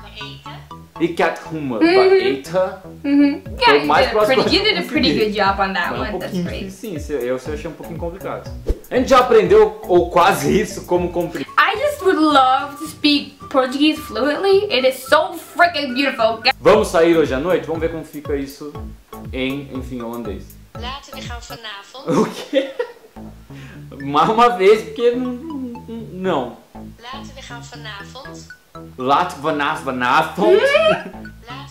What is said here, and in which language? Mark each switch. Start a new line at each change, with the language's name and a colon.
Dutch: van eten. Ik heb honger van eten.
English: Yeah, you did a pretty good job on that one.
Portuguese: Um pouquinho difícil, sim. Eu só achei um pouquinho complicado. A gente já aprendeu, ou quase isso, como cumprir.
English: I just would love to speak Portuguese fluently. It is so freaking beautiful.
Portuguese: Vamos sair hoje à noite? Vamos ver como fica isso em, enfim, holandês.
Dutch: Later we gaan vanavond.
Portuguese: O quê? Mais uma vez, porque não.
Dutch: Later we gaan vanavond. Later vanavond. Later vanavond.